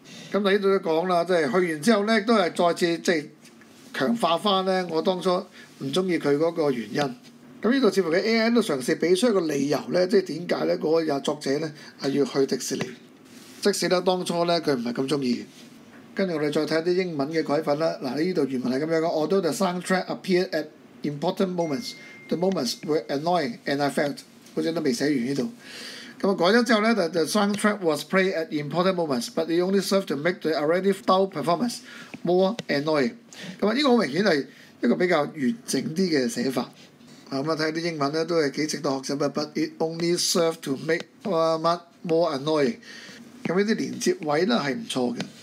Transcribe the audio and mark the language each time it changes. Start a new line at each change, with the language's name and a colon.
Cantonese: 咁嗱呢度都講啦，即係去完之後咧，都係再次即係強化翻咧，我當初唔中意佢嗰個原因。咁呢度似乎嘅 AI 都嘗試俾出一個理由咧，即係點解咧嗰日作者咧係要去迪士尼，即使咧當初咧佢唔係咁中意。跟住我哋再睇啲英文嘅改法啦。嗱，呢度原文係咁樣講
English: ：Although the soundtrack appeared at important moments, the moments were annoying and I felt
Cantonese: 好似都未寫完呢度。咁啊改咗之後咧
English: ，the soundtrack was played at important moments, but it only served to make the already dull performance more annoying。
Cantonese: 咁啊，呢個好明顯係一個比較完整啲嘅寫法。咁啊，睇啲英文咧都係幾值得學習嘅。
English: But it only served to make much more annoying。
Cantonese: 咁呢啲連接位咧係唔錯嘅。